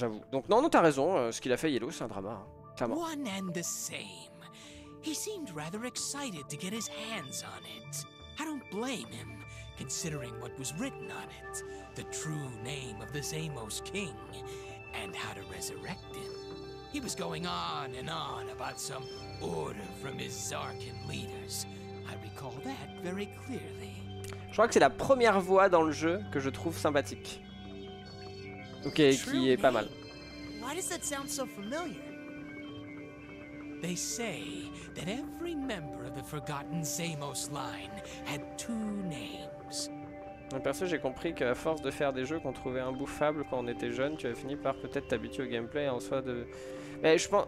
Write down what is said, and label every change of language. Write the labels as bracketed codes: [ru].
[fr] Donc, non, t'as raison. Ce qu'il a fait Yellow, c'est un drama. Hein. [en] One and the same. He seemed rather excited to get his hands on it. I don't blame him, considering what was written on it. The true name of the Zamos King, and how to resurrect him. He was going on and on about some order from his Zarkin leaders. I recall that very clearly. [fr] Je crois que c'est la première voix dans le jeu que je trouve sympathique. Ok, qui est pas mal. [en] Why does that sound so familiar? They say that every member of the Forgotten Zamos line had two names. [fr] Perso, j'ai compris qu'à force de faire des jeux qu'on trouvait imbouffables quand on était jeune, tu avais fini par peut-être t'habituer au gameplay en soi de. Mais je pense.